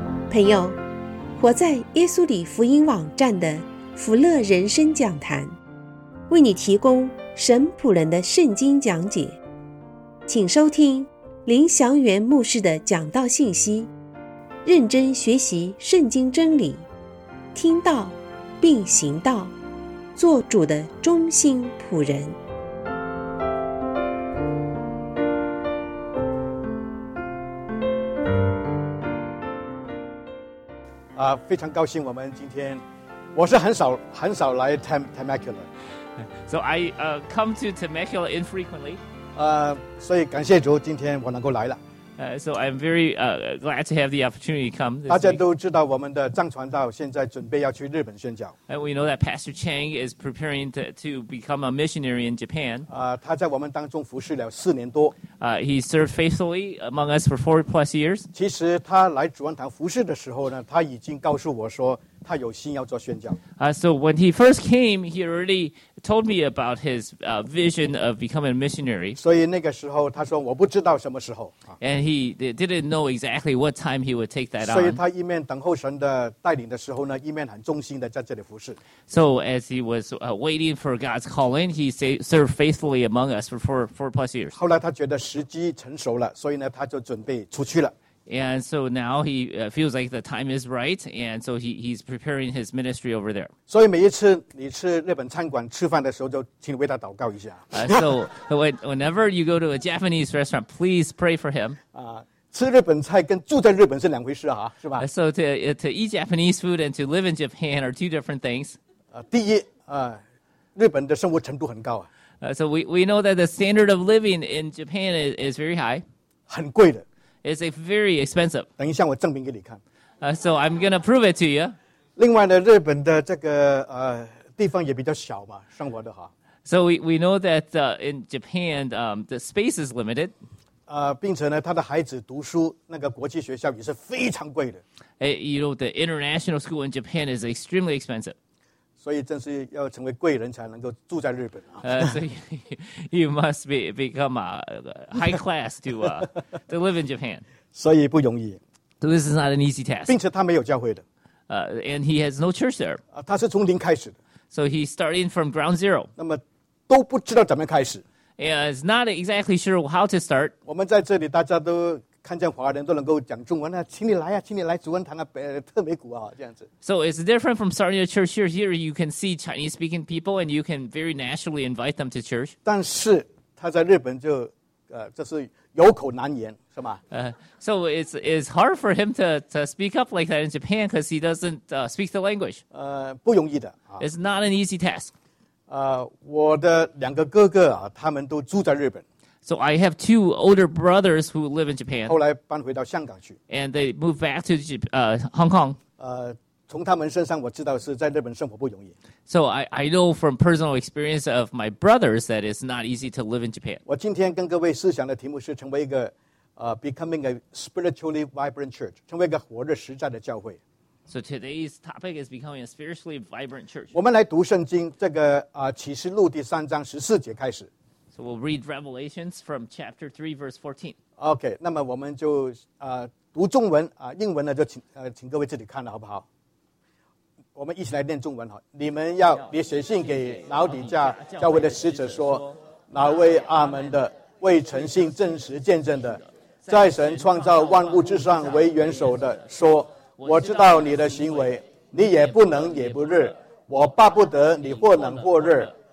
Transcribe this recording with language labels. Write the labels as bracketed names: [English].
[Chinese] 朋友，活在耶稣里福音网站的福乐人生讲坛为你提供神仆人的圣经讲解，请收听林祥元牧师的讲道信息，认真学习圣经真理，听道并行道，做主的忠心仆人。非常高兴我们今天，我是很少来 Temecula。 [English] So I come to Temecula infrequently. [Chinese] 所以感谢主，今天我能够来了。 [English] So I'm very glad to have the opportunity to come. [Chinese] 大家都知道我们的藏传道现在准备要去日本宣教。 [English] And we know that Pastor Chang is preparing to become a missionary in Japan. [Chinese] 他在我们当中服侍了四年多。 [English] He served faithfully among us for 4+ years. [Chinese] 其实他来主恩堂服侍的时候呢，他已经告诉我说。他有心要做宣教。 [English] So when he first came, he already told me about his vision of becoming a missionary. [Chinese] 所以那个时候他说我不知道什么时候。 [English] And he didn't know exactly what time he would take that on. [Chinese] 所以他一面等候神的带领的时候呢，一面很忠心的在这里服侍。 [English] So as he was waiting for God's calling, he served faithfully among us for four plus years. [Chinese] 后来他觉得时机成熟了，所以呢他就准备出去了。 [English] And so now he feels like the time is right, and so he's preparing his ministry over there. [Chinese] 所以每一次你去日本餐馆吃饭的时候，就请为他祷告一下。 [English] So whenever you go to a Japanese restaurant, please pray for him. [Chinese] 吃日本菜跟住在日本是两回事啊，是吧 [English] ？So to eat Japanese food and to live in Japan are two different things. [Chinese] 第一，日本的生活程度很高啊。 [English] So we know that the standard of living in Japan is very high. [Chinese] 很贵的。 [English] It's very expensive. [Chinese] 等一下我证明给你看。 [English] So I'm going to prove it to you. [Chinese] 另外呢日本的这个地方也比较小嘛生活的哈。 [English] So we know that in Japan, the space is limited. [Chinese] 并且呢他的孩子读书那个国际学校也是非常贵的。 [English] You know, the international school in Japan is extremely expensive. [Chinese] 所以正是要成为贵人才能够住在日本、啊。所以 [English] you must become a high class to live in Japan. [Chinese] 所以不容易。 [English] So this is not an easy task. [Chinese] 并且他没有教会的。 [English] And he has no church there. [Chinese] 他是从零开始的。 [English] So he's starting from ground zero. [Chinese] 那么都不知道怎么开始。 [English] And is not exactly sure how to start. [Chinese] 我们在这里大家都看见华人都能够讲中文啊，请你来啊，请你来主恩堂啊，特美谷啊，这样子。 [English] So it's different from starting a church here. Here you can see Chinese-speaking people, and you can very naturally invite them to church. [Chinese] 但是他在日本就，就是有口难言，是吗？ [English] So it's hard for him to speak up like that in Japan because he doesn't speak the language. [Chinese] 不容易的。 [English] It's not an easy task. [Chinese] 我的两个哥哥啊，他们都住在日本。 [English] So I have two older brothers who live in Japan. [Chinese] 后来搬回到香港去。 [English] And they moved back to Hong Kong. [Chinese] 从他们身上我知道是在日本生活不容易。 [English] So I know from personal experience of my brothers that it's not easy to live in Japan. [Chinese] 我今天跟各位思想的题目是成为一个 [English] becoming a spiritually vibrant church, [Chinese] 成为一个活着实在的教会。 [English] So today's topic is becoming a spiritually vibrant church. [Chinese] 我们来读圣经这个启示录第三章十四节开始。 [English] So we'll read Revelations from chapter 3, verse 14. [Chinese] Okay, 那么我们就读中文英文呢就请各位自己看了好不好？我们一起来念中文哈。你们要你写信给老底嘉教会的使者说，哪位阿门的为诚信证实见证的，在神创造万物之上为元首的，说我知道你的行为，你也不冷也不热，我巴不得你或冷或热。